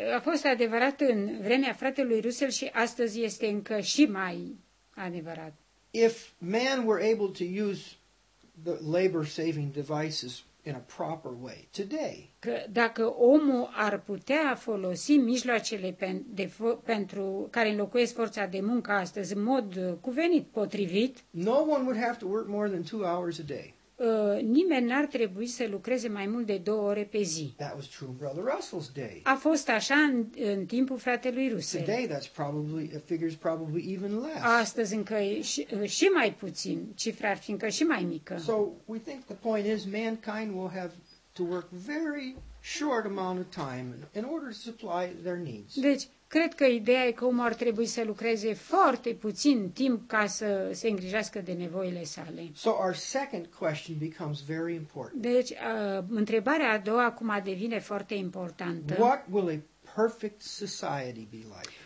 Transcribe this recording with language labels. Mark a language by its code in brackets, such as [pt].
[ro] A fost adevărat în vremea fratelui Russell și astăzi este încă și mai adevărat. [en] If man were able to use the labor-saving devices in a proper way today. [ro] Că dacă omul ar putea folosi mijloacele pentru care înlocuiesc forța de muncă astăzi în mod cuvenit, potrivit, [en] no one would have to work more than 2 hours a day. [ro] Nimeni n-ar trebui să lucreze mai mult de 2 ore pe zi. [en] That was true in Brother Russell's day. [ro] A fost așa în timpul fratelui Russell. [en] Today that's probably, it figures probably even less. [ro] Astăzi încă și mai puțin, cifra ar fi încă și mai mică. [en] So we think the point is mankind will have to work very short amount of time in order to supply their needs. [ro] Deci, cred că ideea e că omul ar trebui să lucreze foarte puțin timp ca să se îngrijească de nevoile sale. [en] So our second question becomes very important. [ro] Deci, întrebarea a doua acum devine foarte importantă. [en] What will a perfect society be like?